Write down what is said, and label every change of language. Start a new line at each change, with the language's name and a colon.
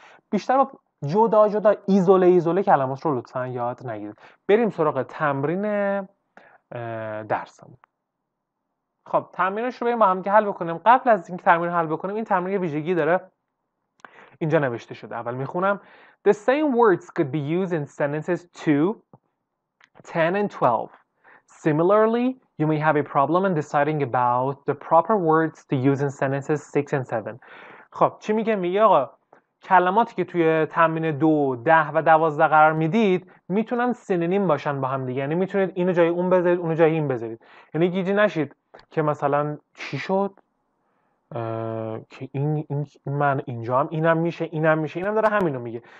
Persian: بیشتر با جدا جدا ایزوله ایزوله کلمات رو لطفا یاد نگیرید. بریم سراغ تمرین درسمون. خب تمرینش رو بریم با هم که حل بکنیم. قبل از اینکه تمرین حل بکنیم، این تمرین یه ویژگی داره اینجا نوشته شده، اول میخونم.
English: The same words could be used in sentences 2, 10 and 12. Similarly, you may have a problem in deciding about the proper words to use in sentences 6 and 7.
Persian: خب چی میگه؟ میگه آقا کلماتی که توی تمرین 2، 10 و 12 قرار میدید میتونن سینونیم باشن با هم دیگه، یعنی میتونید اینو جای اون بذارید، اونو جای این بذارید، یعنی گیج نشید که مثلا چی شد که این من اینجام، اینم میشه، اینم میشه، اینم داره همینو میگه.